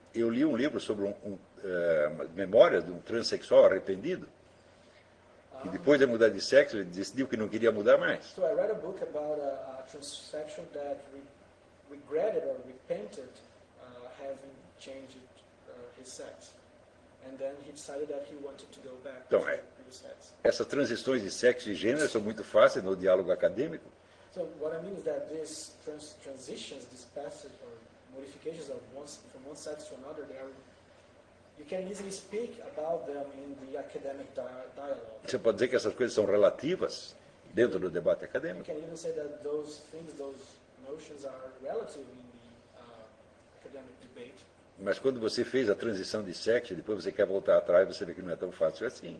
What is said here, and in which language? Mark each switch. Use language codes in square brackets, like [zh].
[pt] Eu li um livro sobre memórias de um transexual arrependido, que depois de mudar de sexo, ele decidiu que não queria mudar mais. [en] So I read a book about a transsexual that regretted or repented having changed his sex. And then he decided that he wanted to go back. [pt] Então, [en] sex. [pt] Essas transições de sexo e gênero são muito fáceis no diálogo acadêmico. [en] So what I mean is that these transitions, these passages or modifications of from one sex to another, you can easily speak about them in the academic dialogue. [pt] Você pode dizer que essas coisas são relativas dentro do debate acadêmico. [en] You can even say that those things, those notions are relative in the academic debate. [pt] Mas quando você fez a transição de sexo, depois você quer voltar atrás, você vê que não é tão fácil assim.